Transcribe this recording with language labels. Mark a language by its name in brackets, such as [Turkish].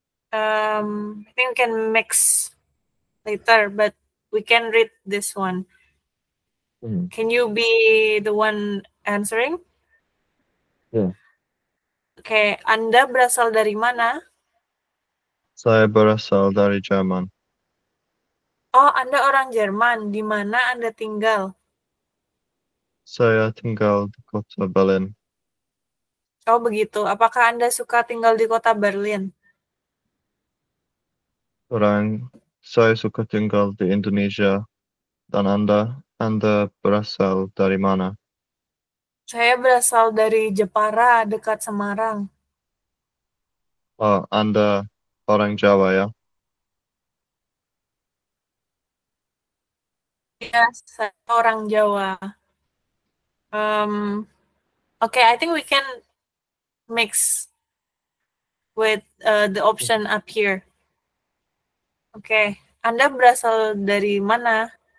[English] I think we can mix later, but we can read this one. Can you be the one answering? [Indonesian] Okay, Anda berasal dari mana? Saya berasal dari Jerman. Oh, Anda orang Jerman. Di mana Anda tinggal? Saya tinggal di kota Berlin. Oh, begitu. Apakah Anda suka tinggal di kota Berlin? Saya suka tinggal di Indonesia. Dan Anda berasal dari mana? Saya berasal dari Jepara, dekat Semarang. Oh, Anda orang Jawa ya? Ya, saya orang Jawa. [English] Okay, I think we can mix with the option up here. [Indonesian] Okay, Anda berasal dari mana?